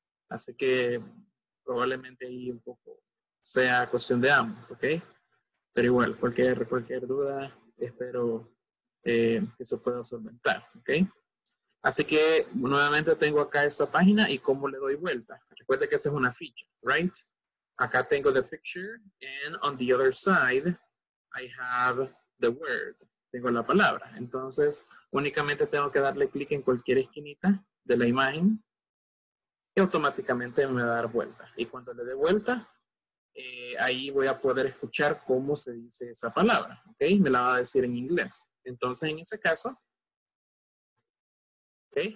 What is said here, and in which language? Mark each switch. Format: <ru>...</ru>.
<es>Así que probablemente ahí un poco sea cuestión de ambos, ¿ok? Pero igual, cualquier duda, espero que se pueda solventar, ¿ok? Así que nuevamente tengo acá esta página y cómo le doy vuelta. Recuerde que esta es una ficha, ¿right? Acá tengo</es> <en>the picture, and on the other side, I have the word.</en> <es>Tengo la palabra. Entonces, únicamente tengo que darle clic en cualquier esquinita de la imagen y automáticamente me va a dar vuelta. Y cuando le dé vuelta, ahí voy a poder escuchar cómo se dice esa palabra. ¿Ok? Me la va a decir en inglés. Entonces, en ese caso, ¿ok?</es>